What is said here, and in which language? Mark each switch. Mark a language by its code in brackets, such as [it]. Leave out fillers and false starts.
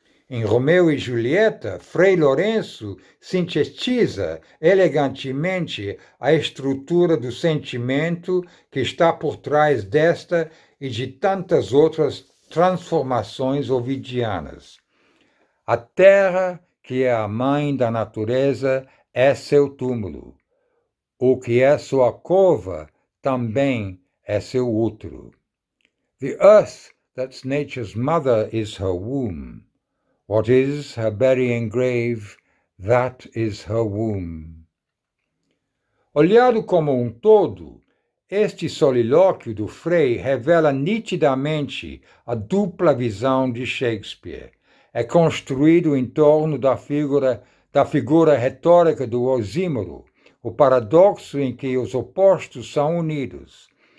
[pt] Em Romeu e Julieta, Frei Lourenço sintetiza elegantemente a estrutura do sentimento que está por trás desta e de tantas outras transformações ovidianas. A terra, que é a mãe da natureza, é seu túmulo. O que é sua cova também é seu útero. [en] The earth that's nature's mother is her womb. What is her burying grave, that is her womb. [pt] Olhado como um todo, este solilóquio do Frei revela nitidamente a dupla visão de Shakespeare. É construído em torno da figura retórica do Osímoro, o paradoxo em que os opostos são unidos.